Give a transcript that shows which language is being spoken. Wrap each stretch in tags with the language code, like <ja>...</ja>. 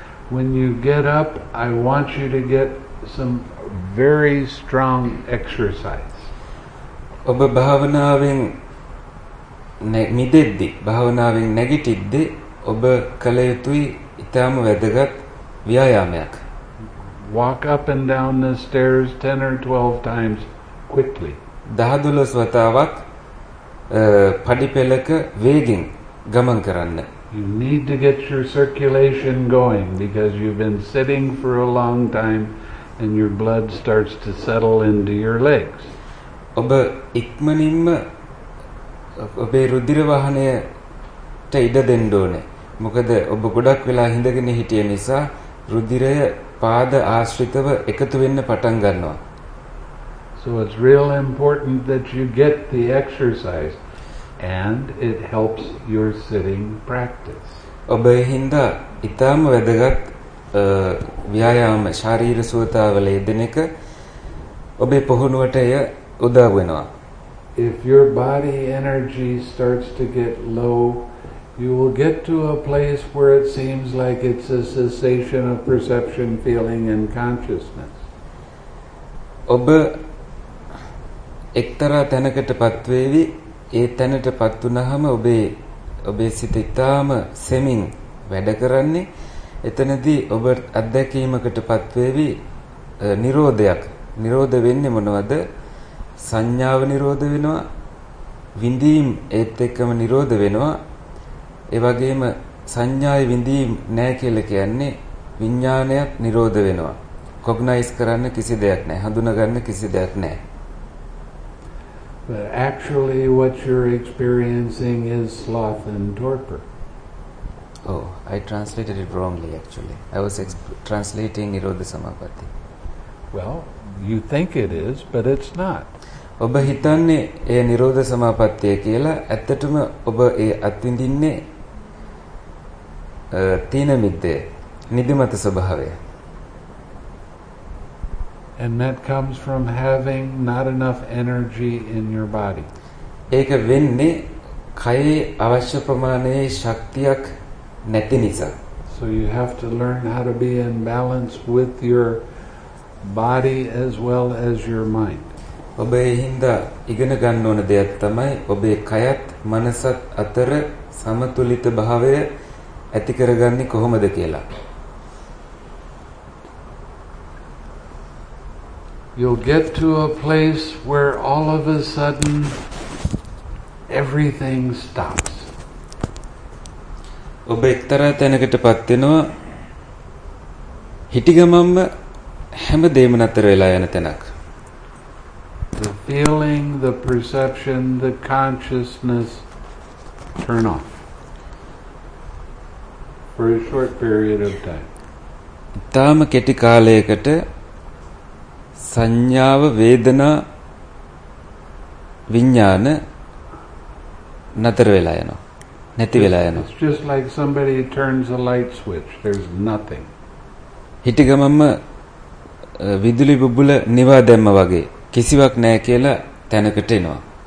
<en>When you get up, I want you to get some very strong exercise.</en> <si>ඔබ භාවනාවෙන් මිදෙද්දි, භාවනාවෙන් නැගිටිද්දි ඔබ කළ යුතුයි ඉතාම වැදගත් ව්‍යායාමයක්.</si> <en>Walk up and down the stairs 10 or 12 times quickly.</en> <si>10-12 වතාවක් පඩිපෙළක වේගෙන් ගමන් කරන්න.</si> <en>You need to get your circulation going because you've been sitting for a long time and your blood starts to settle into your legs.</en> <si>ඔබ ඉක්මනින්ම ඔබේ රුධිර වහනයට ඉඩ දෙන්න ඕනේ. මොකද ඔබ ගොඩක් වෙලා හිඳගෙන හිටිය නිසා රුධිරය පාද ආශ්‍රිතව එකතු වෙන්න පටන් ගන්නවා.</si> <en>So it's real important that you get the exercise and it helps your sitting practice.</en> <si>ඔබ හින්දා ඉතාම වැදගත් ව්‍යායාම ශාරීර සුවතාවල යෙදෙන එක ඔබේ පුහුණුවට එය උදව් වෙනවා.</si> <en>If your body energy starts to get low, you will get to a place where it seems like it's a cessation of perception, feeling, and consciousness.</en> <si>ඔබ එක්තරා තැනකටපත් වේවි. ඒ තැනටපත් වුනහම ඔබේ සිත ඉතාම සෙමින් වැඩ කරන්නේ. එතනදී ඔබ අත්දැකීමකටපත් වේවි නිරෝධයක්. නිරෝධ වෙන්නේ මොනවද? සංඥාව නිරෝධ වෙනවා, විඳීම් ඒත් එක්කම නිරෝධ වෙනවා. ඒ වගේම සංඥායි විඳීම් නැහැ කියලා කියන්නේ විඥානයක් නිරෝධ වෙනවා. කොග්නයිස් කරන්න කිසි දෙයක් නැහැ, හඳුනා ගන්න කිසි දෙයක් නැහැ.</si> <en>But actually what you're experiencing is sloth and torpor. Oh, I translated it wrongly actually. I was translating Nirodha Samapatti. Well, you think it is, but it's not.</en> <si>ඔබ හිතන්නේ ඒ Nirodha Samapatti කියලා, ඇත්තටම ඔබ ඒ අත්විඳින්නේ තීන මිද්දේ නිදිමත ස්වභාවය.</si> <en>And that comes from having not enough energy in your body.</en> <si>ඒක වෙන්නේ කයේ අවශ්‍ය ප්‍රමාණයේ ශක්තියක් නැති නිසා.</si> <en>So you have to learn how to be in balance with your body as well as your mind.</en> <si>ඔබේ හින්දා ඉගෙන ගන්න ඕන දෙයක් තමයි ඔබේ කයත් මනසත් අතර සමතුලිත භාවය ඇති කරගන්නේ කොහොමද කියලා.</si> <en>You'll get to a place where all of a sudden everything stops.</en> <si>ඔබ එක්තරා තැනකටපත් වෙනවා. හිටිගමම්ම හැමදේම නැතර වෙලා යන තැනක්.</si> <en>The feeling, the perception, the consciousness turn off for a short period of time.</en> <si>ඉතාම කෙටි කාලයකට සංඥාව, වේදනා, විඥාන නතර වෙලා යනවා, නැති වෙලා යනවා.</si> <en>It's just like somebody turns a light switch. There's nothing.</en> <si>හිටගමම්ම විදුලි බුබුල නිවා දැම්ම වගේ කිසිවක් නැහැ කියලා තැනකට එනවා.</si>